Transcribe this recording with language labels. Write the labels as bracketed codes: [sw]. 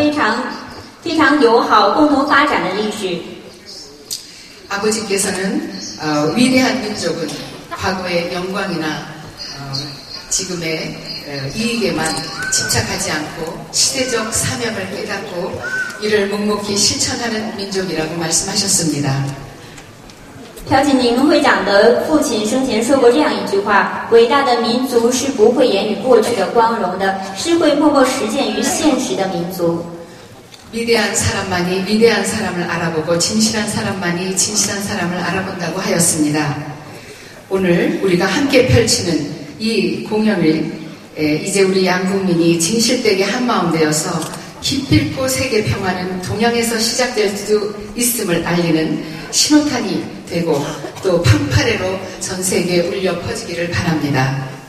[zh] 唐朝跟韩国的新罗曾有一段非常友好共同发展的历史。 [ko] 아버지께서는 위대한 민족은 과거의 영광이나 지금의 이익에만 집착하지 않고 시대적 사명을 깨닫고 이를 묵묵히 실천하는 민족이라고 말씀하셨습니다. [zh] 朴槿宁会长的父亲生前说过这样一句话：伟大的民族是不会言语过去的光荣的，是会默默实践于现实的民族。 [ko] 위대한 사람만이 위대한 사람을 알아보고 진실한 사람만이 진실한 사람을 알아본다고 하였습니다. 오늘 우리가 함께 펼치는 이 공연을 이제 우리 양국민이 진실되게 한 마음 되어서 기필코 세계 평화는 동양에서 시작될 수도 있음을 알리는 신호탄이 되고 또 팡파레로 전 세계에 울려 퍼지기를 바랍니다.